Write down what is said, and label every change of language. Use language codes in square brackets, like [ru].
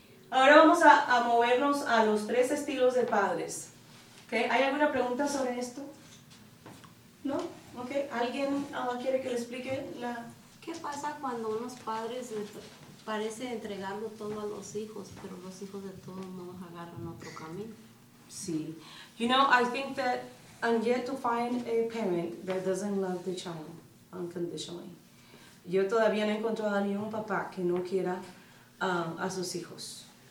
[es] Ahora vamos a movernos a los tres estilos de padres. ¿Okay? ¿Hay alguna pregunta sobre esto? ¿No? ¿Ok? ¿Alguien quiere que le explique la...? ¿Qué pasa cuando unos padres parece entregarlo todo a los hijos, pero los hijos de todos modos agarran otro camino? Sí. [en] You know, I think that I'm yet to find a parent that doesn't love the child unconditionally. [es] Yo todavía no he encontrado ni un papá que no quiera a sus hijos.